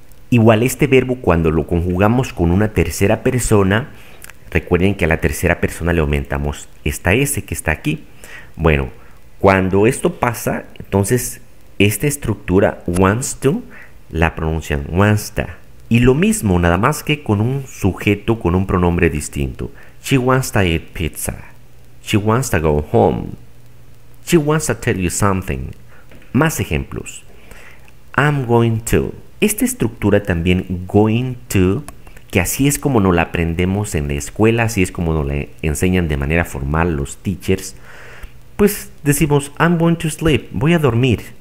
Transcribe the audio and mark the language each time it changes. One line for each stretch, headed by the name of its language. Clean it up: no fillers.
Spanish: Igual este verbo cuando lo conjugamos con una tercera persona, recuerden que a la tercera persona le aumentamos esta S que está aquí. Bueno, cuando esto pasa, entonces esta estructura wants to la pronuncian wants to. Y lo mismo, nada más que con un sujeto, con un pronombre distinto.
English: She wants to eat pizza. She wants to go home. She wants to tell you something. Más ejemplos. I'm going to.
Spanish: Esta estructura también, going to, que así es como nos la aprendemos en la escuela, así es como nos la enseñan de manera formal los teachers, pues decimos,
English: I'm going to sleep,
Spanish: voy a dormir.